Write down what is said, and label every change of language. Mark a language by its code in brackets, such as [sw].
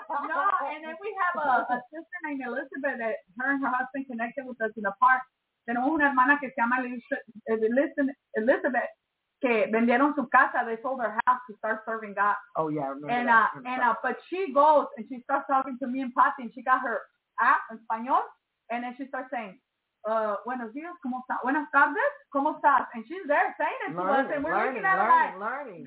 [en] No, and then we have a sister named Elizabeth that her and her husband connected with us in the park. [es] Tenemos una hermana que se llama Elizabeth que vendieron su casa. [en] They sold their house to start serving God. Oh, yeah. I remember but she goes and she starts talking to me and Patty and she got her app in Spanish. And then she starts saying, [es] buenos dias, como estas? [en] Buenas tardes, como estas? And she's there saying it to learning, us. And we're learning, looking at learning,